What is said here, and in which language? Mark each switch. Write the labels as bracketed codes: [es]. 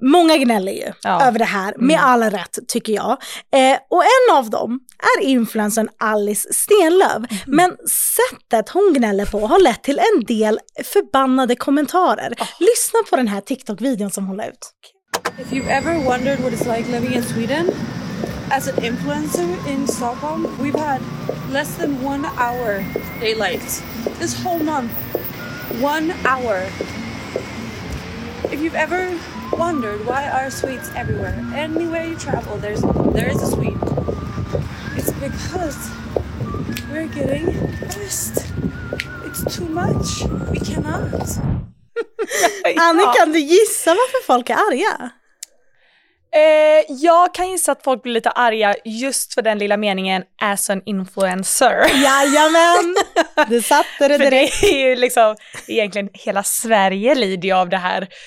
[sv] Många gnäller ju över det här, med all rätt tycker jag. Och en av dem är influencern Alice Stenlöf. Mm. Men sättet hon gnäller på har lett till en del förbannade kommentarer. Oh. Lyssna på den här TikTok-videon som hon la ut. [en] If you've ever wondered what it's like living in Sweden, as an influencer in Stockholm, we've had less than 1 hour daylight. This whole month, 1 hour. If you've ever wondered why are sweets everywhere, anywhere you travel, there is a sweet. It's because we're getting pissed. It's too much. We cannot. [sv] Annie, kan du gissa varför folk är arga? Jag kan gissa att folk blir lite arga just för den lilla meningen [en] as an influencer. [sv] Jajamän, du satte det direkt. För det är ju liksom, egentligen hela Sverige lider av det här.